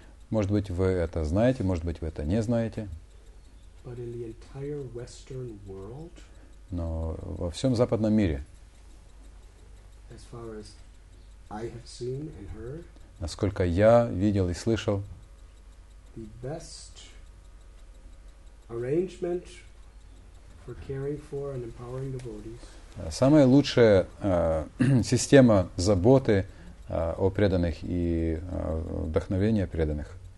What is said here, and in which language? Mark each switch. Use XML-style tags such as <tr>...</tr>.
<ru>Может быть, вы это знаете, может быть, вы это не знаете.</ru> <en>But in the entire Western world,</en> <ru>но во всем западном мире,</ru> <en>as far as I have seen and heard,</en> <ru>насколько я видел и слышал,</ru> <en>the best arrangement for caring for and empowering devotees,</en> <ru>самая лучшая система заботы о преданных и вдохновения преданных</ru>